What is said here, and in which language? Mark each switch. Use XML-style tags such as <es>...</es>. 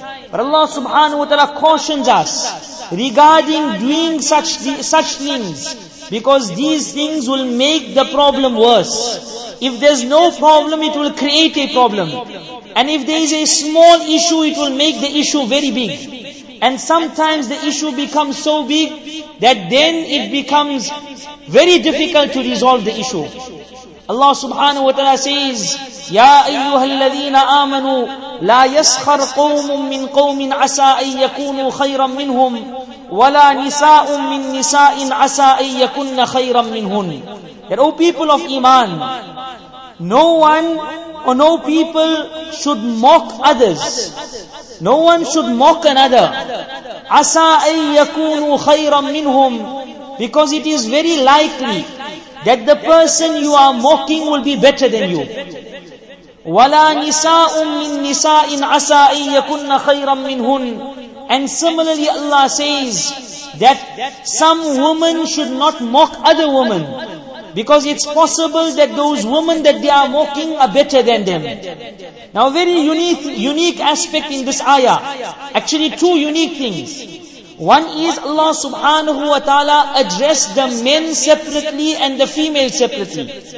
<en>But Allah subhanahu wa ta'ala cautions us regarding doing such things, because these things will make the problem worse. If there's no problem, it will create a problem. And if there is a small issue, it will make the issue very big. And sometimes the issue becomes so big that then it becomes very difficult to resolve the issue. Allah subhanahu wa ta'ala says,</en> <ar>يَا أَيُّهَا الَّذِينَ آمَنُوا لَا يَسْخَرْ قَوْمٌ مِّن قَوْمٍ عَسَىٰ أَن يَكُونُوا خَيْرًا مِّنْهُمْ وَلَا نِسَاءٌ مِّن نِسَاءٍ عَسَىٰ أَن يَكُنَّ خَيْرًا مِّنْهُمْ.</ar> <en>That, O people of Iman, no one or no people should mock others. No one should mock another.</en> <ar>عَسَىٰ أَن يَكُونُوا خَيْرًا مِّنْهُمْ,</ar> <en>because it is very likely that the person you are mocking will be better than you.</en> <ar>وَلَا نِسَاءٌ مِّن نِسَاءٍ عَسَىٰ أَن يَكُنَّ خَيْرًا مِّنْهُنْ.</ar> <en>And similarly Allah says, that some women should not mock other women, because it's possible that those women that they are mocking are better than them. Now, very unique aspect in this ayah. Actually, two unique things. One is Allah subhanahu wa ta'ala addressed the men separately and the female separately.</en>